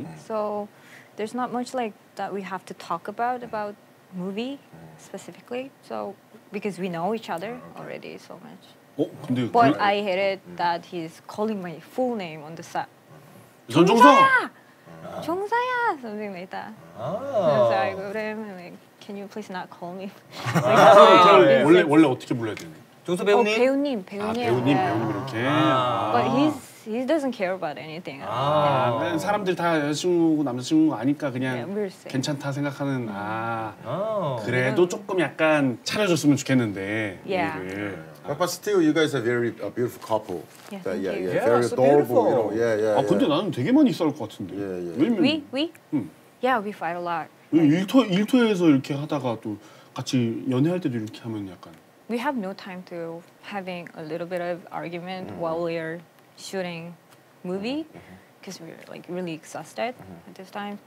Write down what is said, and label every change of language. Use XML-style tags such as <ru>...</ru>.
<en>So there's not much like that we have to talk about movie specifically. So because we know each other already so much. But I hated that he's calling my full name on the set.</en> <ko>전종서!</ko> <en>종서야! Something like that. Oh. So I go to him and like, can you please not call me? Like,</en> <ko>oh, 원래 어떻게 불러야 되는 거예요? 종서 배우님? 배우님, 배우님. 아, 배우님, 배우님 이렇게.</ko> <en>But he doesn't care about anything.</en> <ko>아, 네. 사람들 다 여자친구고 남자친구고 아니까 그냥 yeah, 괜찮다 생각하는, 아.</ko> <en>Oh.</en> <ko>그래도 조금 약간 차려줬으면 좋겠는데.</ko> <en>Yeah. But still, you guys are very beautiful couple. Yeah, thank you. Yeah, very so adorable. Beautiful. You know, yeah, yeah.</en> <ko>아 근데 yeah. 나는 되게 많이 싸울 것 같은데.</ko> <en>Yeah, yeah.</en> <ko>왜냐면,</ko> <en>we? Yeah, we fight a lot.</en> <ko>일터에서 이렇게 하다가 또 같이 연애할 때도 이렇게 하면 약간.</ko> <en>We have no time to having a little bit of argument while we are shooting movie, because we're like really exhausted at this time.</en>